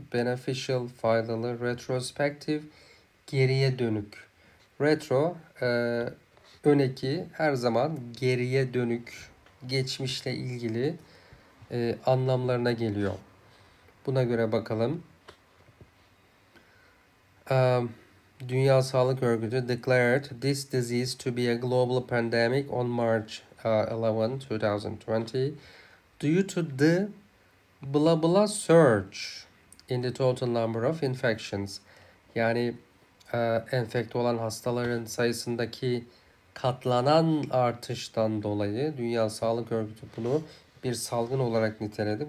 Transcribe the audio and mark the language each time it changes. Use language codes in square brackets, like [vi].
[en] Beneficial, [tr] faydalı. [en] Retrospective, [tr] geriye dönük. Retro, öneki, her zaman geriye dönük, geçmişle ilgili anlamlarına geliyor. Buna göre bakalım. [en] Dünya Sağlık Örgütü declared this disease to be a global pandemic on March 11, 2020 due to the blah blah surge in the total number of infections. [tr] Yani enfekte olan hastaların sayısındaki katlanan artıştan dolayı Dünya Sağlık Örgütü bunu bir salgın olarak niteledi.